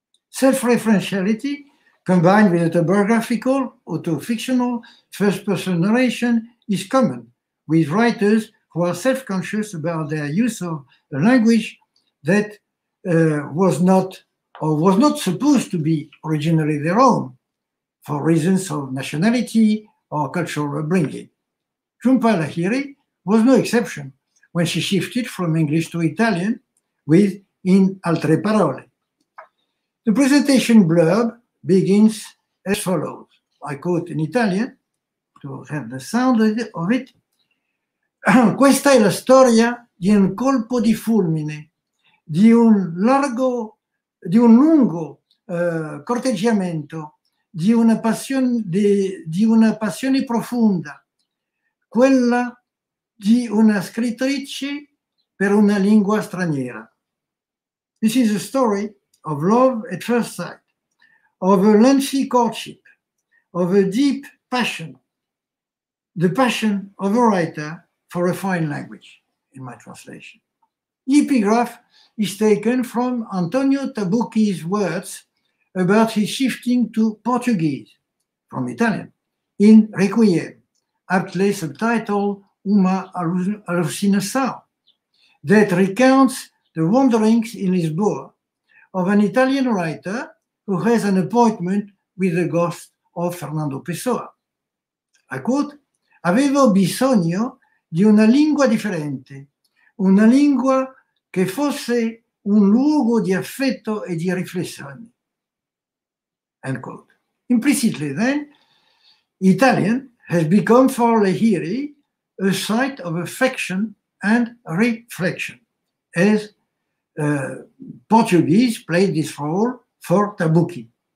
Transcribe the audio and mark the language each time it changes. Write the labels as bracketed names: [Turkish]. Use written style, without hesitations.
[English] Self-referentiality combined with autobiographical, auto-fictional, first-person narration is common with writers who are self-conscious about their use of a language that was not supposed to be originally their own for reasons of nationality or cultural upbringing. Jhumpa Lahiri was no exception when she shifted from English to Italian with In Altre Parole. The presentation blurb begins as follows. I quote in Italian to have the sound of it. [Italian] Questa è la storia di un colpo di fulmine, di un lungo corteggiamento, di una passione profonda, quella di una scrittrice per una lingua straniera. [English] This is a story of love at first sight, of a lengthy courtship, of a deep passion, the passion of a writer for a foreign language, in my translation. The epigraph is taken from Antonio Tabucchi's words about his shifting to Portuguese from Italian in Requiem, aptly subtitled Uma Alucinação, that recounts the wanderings in Lisboa of an Italian writer who has an appointment with the ghost of Fernando Pessoa. I quote, [Italian] avevo bisogno di una lingua differente, una lingua che fosse un luogo di affetto e di riflessione. [English] End quote. Implicitly then, Italian has become for Lahiri a site of affection and reflection, as Portuguese played this role for Tabucchi.